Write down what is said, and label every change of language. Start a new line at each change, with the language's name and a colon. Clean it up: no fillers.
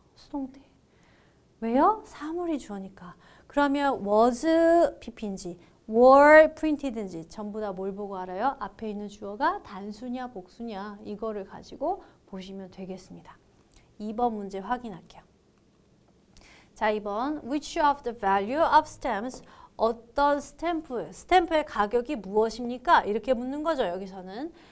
Korean: 수동태. 왜요? 사물이 주어니까. 그러면 was pp인지 were printed인지 전부 다 뭘 보고 알아요? 앞에 있는 주어가 단수냐 복수냐 이거를 가지고 보시면 되겠습니다. 2번 문제 확인할게요. 자, 2번.
English: Which of the value of stamps?
Korean: 어떤 스탬프, 스탬프의 가격이 무엇입니까? 이렇게 묻는 거죠, 여기서는.